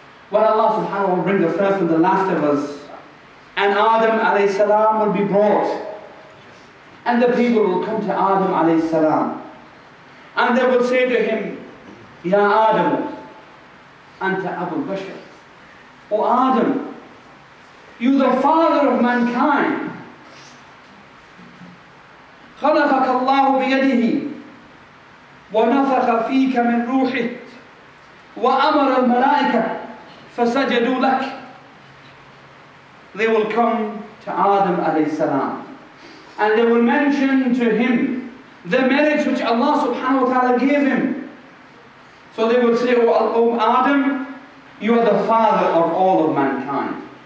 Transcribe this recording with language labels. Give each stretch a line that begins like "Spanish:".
English: When Allah subhanahu wa ta'ala will bring the first and the last of us, and Adam alayhi salam will be brought, and the people will come to Adam alayhi salam, and they will say to him,
Arabic: Ya Adam, Anta Abu Bashar.
English: O Adam, you the father of mankind.
Arabic: خلقك الله بيده ونفخ فيك من روحه وأمر الملائكة فسجدوا لك.
English: They will come to Adam عليه السلام and they will mention to him the merits which Allah subhanahu wa ta'ala gave him. So they will say, O Adam, you are the father of all of mankind.